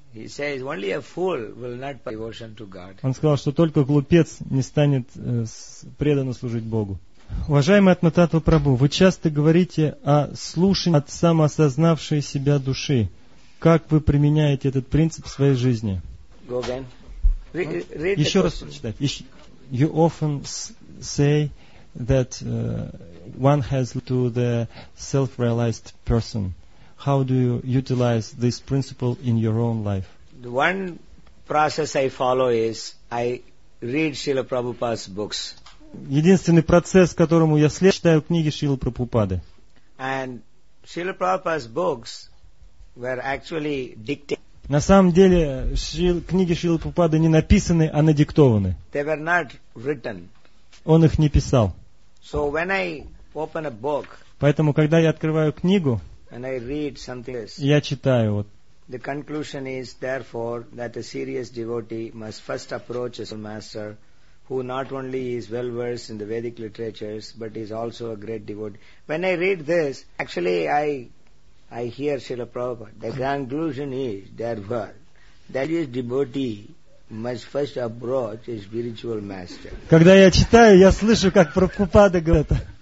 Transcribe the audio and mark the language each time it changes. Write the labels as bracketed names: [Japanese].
[English] He says only a fool will not pay devotion to God. [Russian] Он сказал, что только глупец не станет преданно служить Богу. Уважаемый Атматтатва Прабху, вы часто говорите о слушании от самоосознавшей себя души. Как вы применяете этот принцип в своей жизни? [English] Go again. [Russian] Еще раз прочитать. [English] You often say that one has to the self-realized person. How do you utilize this principle in your own life? The one process I follow is I read Srila Prabhupada's books. [Russian] Единственный процесс, которому я следую, читаю книги Шрилы Прабхупады. [English] And Srila Prabhupada's books were actually dictated. [Russian] На самом деле, книги Шрилы Прабхупады не написаны, а надиктованы. [English] They were not written. [Russian] Он их не писал. [English] So when I open a book, [Russian] поэтому когда я открываю книгу, [English] and I read something else. [Russian] Я читаю вот. [English] The conclusion is therefore that a serious devotee must first approach a spiritual master who not only is well versed in the Vedic literatures but is also a great devotee. When I read this, actually I hear Srila Prabhupada. The conclusion is therefore that is devotee must first approach a spiritual master. [Russian] Когда я читаю, я слышу, как Прабхупада говорит.